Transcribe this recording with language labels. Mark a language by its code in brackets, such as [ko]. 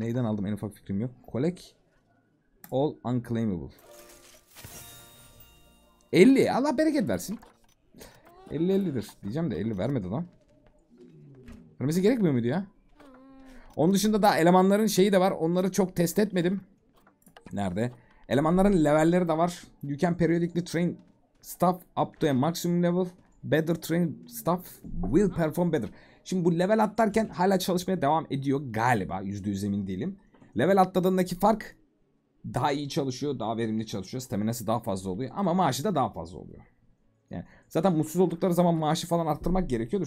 [tr] Neyden aldım en ufak fikrim yok. [en] Collect all unclaimable. [tr] 50. Allah bereket versin. 50-50'dir diyeceğim de 50 vermedi lan. Vermesi gerekmiyor muydu ya? Onun dışında da elemanların şeyi de var. Onları çok test etmedim. Nerede? Elemanların levelleri de var. [en] You can periodically train staff up to a maximum level. Better trained staff will perform better. [tr] Şimdi bu level atlarken hala çalışmaya devam ediyor galiba. %100 emin değilim. Level atladığındaki fark, daha iyi çalışıyor, daha verimli çalışıyor. Staminası daha fazla oluyor ama maaşı da daha fazla oluyor. Yani zaten mutsuz oldukları zaman maaşı falan arttırmak gerekiyordu.